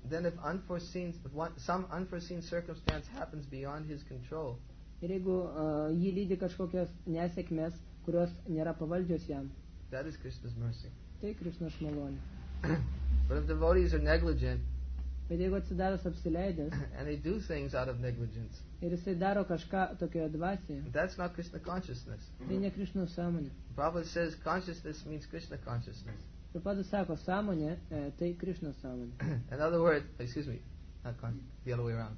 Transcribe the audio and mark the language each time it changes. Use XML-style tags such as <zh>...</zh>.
<en>Then if some unforeseen circumstance happens beyond his control.</en> <lt>Ir jeigu jį lydi kažkokios nesėkmės, kurios nėra pavaldžios jam.</lt> <en>That is Krishna's mercy.</en> <lt>Tai Krishna's malonė.</lt> <en>But if devotees are negligent.</en> <lt>Bet jeigu atsidaręs apsileidęs.</lt> <en>And they do things out of negligence.</en> <lt>Ir jisai daro kažką tokioje dvasioje.</lt> <en>That's not Krishna consciousness.</en> <lt>Tai ne Krishna sąmonė.</lt> <en>Prabhupada says consciousness means Krishna consciousness.</en> <lt>Prabhupada sako, sąmonė, tai Krishna sąmonė.</lt> <en>In other words, excuse me, not the other way around.</en>